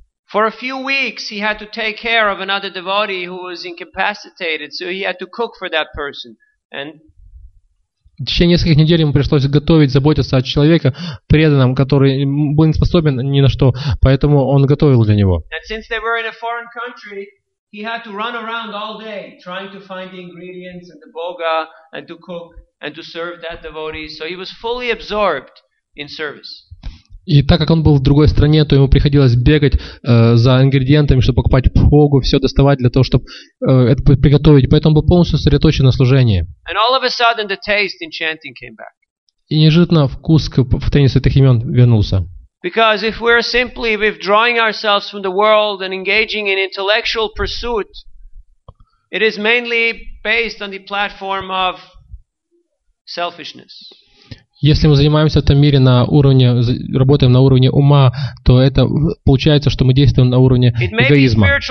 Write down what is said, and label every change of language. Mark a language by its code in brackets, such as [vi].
[en] For a few weeks he had to take care of another devotee who was incapacitated, so he had to cook for that person. And [ru] в течение нескольких недель ему пришлось готовить, заботиться о человеке преданном, который был не способен ни на что, поэтому он готовил для него. [en] And since they were in a foreign country, he had to run around all day trying to find the ingredients and the boga and to cook and to serve that devotee, so he was fully absorbed in service. [ru] И так как он был в другой стране, то ему приходилось бегать за ингредиентами, чтобы покупать пхогу, все доставать для того, чтобы это приготовить. Поэтому он был полностью сосредоточен на служении. [en] And all of a sudden the taste in chanting came back. [ru] И неожиданно вкус в тени святых имен вернулся. [en] Because if we're simply withdrawing ourselves from the world and engaging in intellectual pursuit, it is mainly based on the platform of selfishness. [ru] Если мы занимаемся в этом мире на уровне, работаем на уровне ума, то это получается, что мы действуем на уровне эгоизма.